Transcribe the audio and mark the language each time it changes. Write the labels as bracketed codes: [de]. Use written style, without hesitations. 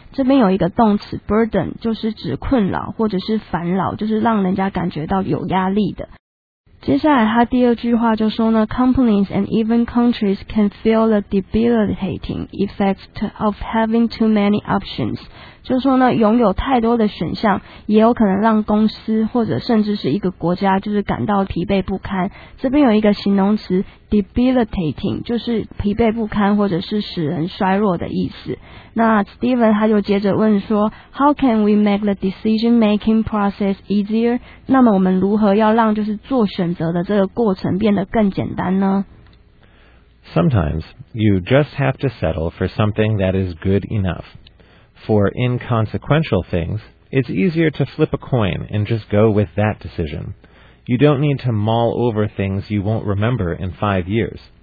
[zh] 这边有一个动词 burden， 就是指困扰或者是烦恼，就是让人家感觉到有压力的。接下来他第二句话就说呢 [en] ，companies and even countries can feel the debilitating effects of having too many options。 [zh] 就说呢，拥有太多的选项，也有可能让公司或者甚至是一个国家就是感到疲惫不堪。这边有一个形容词 debilitating， 就是疲惫不堪或者是使人衰弱的意思。那 Stephen 他就接着问说 [en] ，How can we make the decision making process easier？ [zh] 那么我们如何要让就是做选择的这个过程变得更简单呢 [en] ？Sometimes you just have to settle for something that is good enough. For inconsequential things, it's easier to flip a coin and just go with that decision. You don't need to mull over things you won't remember in 5 years.